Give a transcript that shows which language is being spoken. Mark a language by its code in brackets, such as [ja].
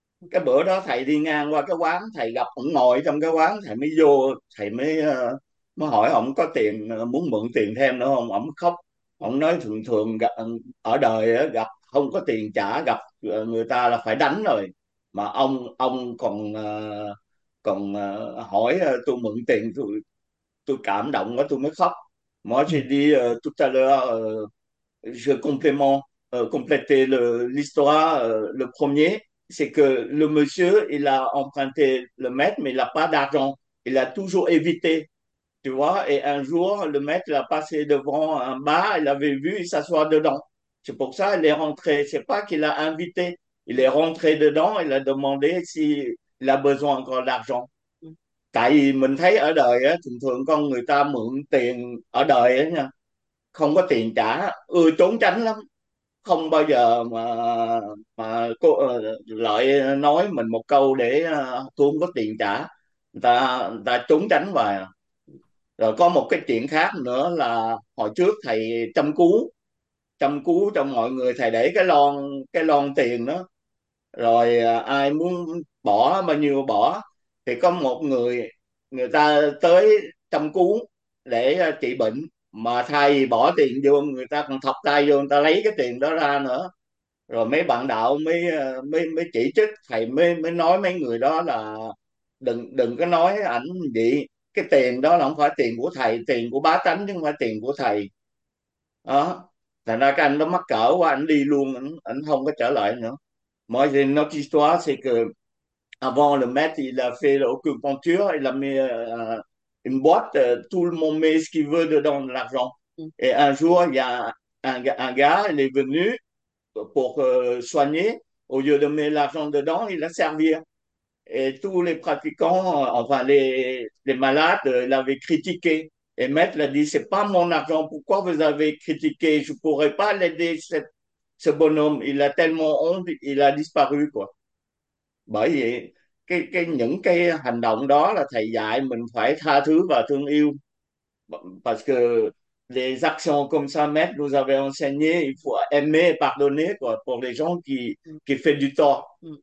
[vi] Cái bữa đó thầy đi ngang qua cái quán, thầy gặp ông ngồi trong cái quán, thầy mới vô, thầy mới mới hỏi ông có tiền muốn mượn tiền thêm nữa không. Ông khóc, ông nói thường thường gặp, ở đời gặp không có tiền trả gặp người ta là phải đánh rồi, mà ông còn còn hỏi tôi mượn tiền, tôi cảm động quá tôi mới khóc. [fr] Moi j'ai dit tout à l'heure je complément compléter l'histoire le premier c'est que le monsieur, il a emprunté le maître, mais il n'a pas d'argent. Il a toujours évité, tu vois. Et un jour, le maître, il a passé devant un bar, il avait vu, il s'assoit dedans. C'est pour ça qu'il est rentré. C'est pas qu'il a invité. Il est rentré dedans, il a demandé s'il a besoin encore d'argent. [vi] Tại vì mình thấy ở đời á, thường thường con người ta mượn tiền ở đời á nha, không có tiền trả, ưa trốn tránh lắm, không bao giờ mà cô lợi nói mình một câu để tôi không có tiền trả, người ta trốn tránh vào. Rồi có một cái chuyện khác nữa là hồi trước thầy châm cứu cho mọi người, thầy để cái lon tiền đó, rồi ai muốn bỏ bao nhiêu bỏ, thì có một người người ta tới châm cứu để trị bệnh, mà thay vì bỏ tiền vô, người ta còn thọc tay vô, người ta lấy cái tiền đó ra nữa. Rồi mấy bạn đạo mới mới mới chỉ trích thầy, mới mới nói mấy người đó là đừng đừng có nói ảnh vậy, cái tiền đó là không phải tiền của thầy, tiền của bá tánh chứ không phải tiền của thầy đó. Thành ra cái anh đó mắc cỡ quá, anh đi luôn, anh không có trở lại nữa. Mọi người nói [fr] histoire c'est que avant le maître il a fait l'acupuncture, il a mis une boîte, tout le monde met ce qu'il veut dedans, de l'argent. Et un jour, il y a un gars, il est venu pour soigner. Au lieu de mettre l'argent dedans, il a servi. Et tous les pratiquants, enfin les malades, l'avaient critiqué. Et maître l'a dit, c'est pas mon argent, pourquoi vous avez critiqué? Je pourrais pas l'aider, ce bonhomme. Il a tellement honte, il a disparu, quoi. [vi] Bởi vậy, những cái hành động đó là thầy dạy mình phải tha thứ và thương yêu. [fr] Parce que les actions comme ça, maître nous avait enseigné, il faut aimer et pardonner, quoi, pour les gens qui fait du tort.